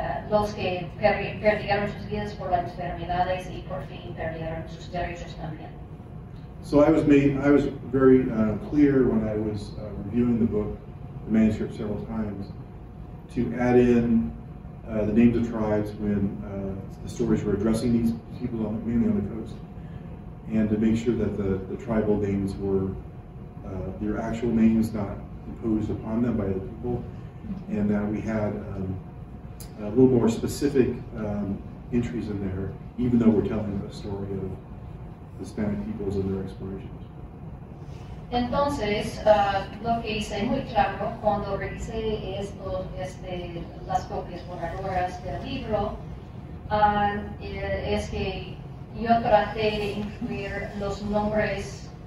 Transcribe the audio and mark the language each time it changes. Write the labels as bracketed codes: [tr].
[es] los que perdieron sus vidas por las enfermedades y por fin perdieron sus derechos también. [en] So I was very clear when I was reviewing the book, the manuscript several times, to add in the names of tribes when the stories were addressing these people on, mainly on the coast, and to make sure that the tribal names were their actual names, not imposed upon them by the people, and that we had a little more specific entries in there, even though we're telling a story of the Hispanic peoples and their explorations. [es] Entonces, lo que hice muy claro cuando revisé esto desde las copias borradoras del libro, es que yo traté de incluir los nombres